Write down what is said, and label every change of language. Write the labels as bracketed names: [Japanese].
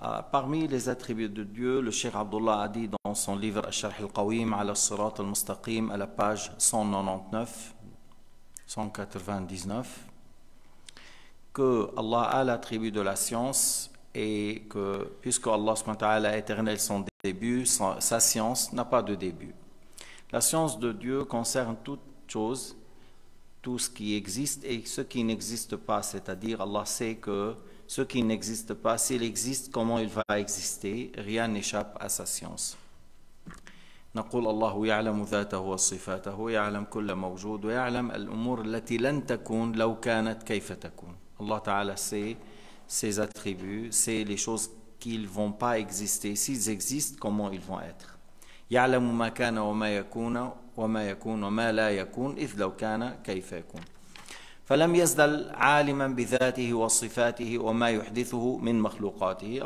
[French] Parmi les attributs de Dieu, le Cheikh Abdullah a dit dans son livre Al-Sharh Al-Qawim على الصراط المستقيم à la page 199 que Allah a l'attribut de la science et que puisque Allah subhanahu wa ta'ala est éternel, son début, sa science n'a pas de début. La science de Dieu concerne toute chose, tout ce qui existe et ce qui n'existe pas, c'est-à-dire Allah sait que ce qui n'existe pas, s'il existe, comment il va exister, rien n'échappe à sa science. [Arabic] نقول الله يعلم ذاته وصفاته ويعلم كل موجود ويعلم الأمور التي لن تكون لو كانت كيف تكون. [French] الله تعالى sait ses attributs, sait les choses qui ne vont pas exister, s'ils existent, comment ils vont être. [Arabic] يعلم ما كان وما يكون وما يكون وما لا يكون إذ لو كان كيف يكون. فلم يزدل عالما بذاته وصفاته وما يحدثه من مخلوقاته.